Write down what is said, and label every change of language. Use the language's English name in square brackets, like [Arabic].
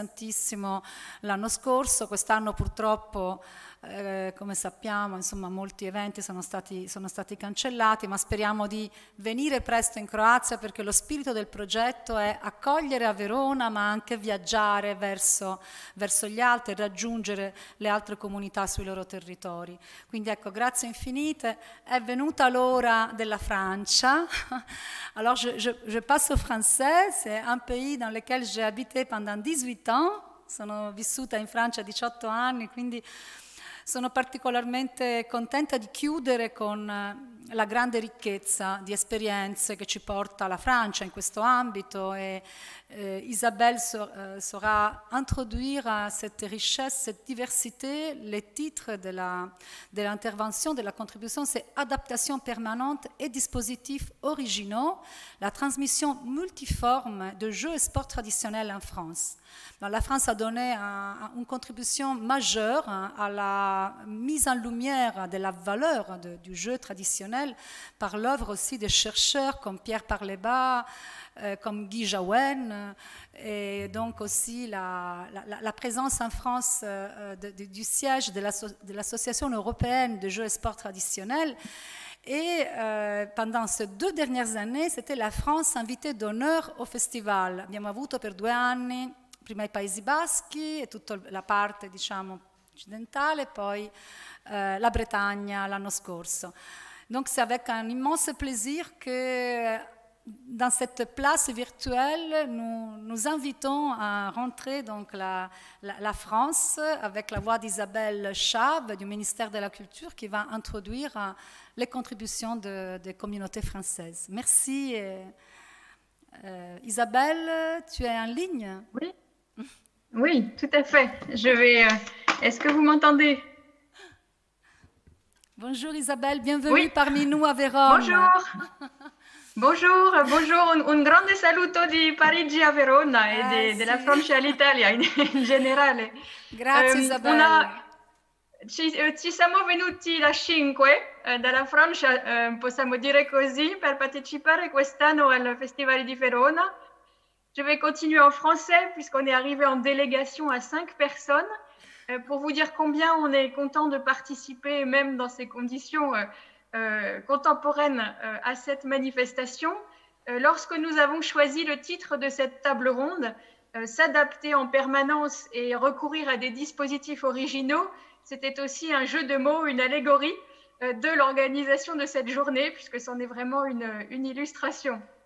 [Italian] interessantissimo l'anno scorso. Quest'anno purtroppo, come sappiamo, insomma, molti eventi sono stati cancellati, ma speriamo di venire presto in Croazia, perché lo spirito del progetto è accogliere a Verona, ma anche viaggiare verso gli altri e raggiungere le altre comunità sui loro territori. Quindi ecco, grazie infinite. È venuta l'ora della Francia. [French] Alors je passe au français, c'est un pays dans lequel j'ai habité pendant 18 ans. [Italian] Sono vissuta in Francia 18 anni, quindi sono particolarmente contenta di chiudere con la grande ricchezza di esperienze che ci porta la Francia in questo ambito. [French] E Isabelle saura introduire à cette richesse, cette diversité, le titre de l'intervention, de la contribution, c'est adaptation permanente et dispositifs originaux, la transmission multiforme de jeux et sports traditionnels en France. La France a donné une contribution majeure à la mise en lumière de la valeur du jeu traditionnel par l'œuvre aussi des chercheurs comme Pierre Parlebas, comme Guy Jaouen, et donc aussi la présence en France du siège de l'Association européenne des jeux et sports traditionnels. Et pendant ces deux dernières années, c'était la France invitée d'honneur au festival. [Italian] Abbiamo avuto per due anni, prima i Paesi Baschi e tutta la parte, diciamo, occidentale, poi la Bretagna l'anno scorso. [French] Donc c'est avec un immense plaisir que dans cette place virtuelle, nous invitons à rentrer donc la France avec la voix d'Isabelle Chave du ministère de la Culture qui va introduire les contributions des communautés françaises. Merci. Isabelle, tu es en ligne? Oui. Oui, tout à fait. Je vais. Est-ce que vous m'entendez? Bonjour Isabelle, bienvenue oui. Parmi nous à Vérone. Bonjour. Bonjour, bonjour, [Italian] un grande saluto di Parigi a Verona e de la Francia all'Italia in generale. Grazie Isabella. Ci siamo venuti la 5 dalla Francia, possiamo dire così, per partecipare quest'anno al Festival di Verona. [French] Je vais continuer en français puisqu'on est arrivé en délégation à 5 personnes pour vous dire combien on est content de participer même dans ces conditions contemporaine à cette manifestation. Lorsque nous avons choisi le titre de cette table ronde, s'adapter en permanence et recourir à des dispositifs originaux, c'était aussi un jeu de mots, une allégorie de l'organisation de cette journée, puisque c'en est vraiment une illustration.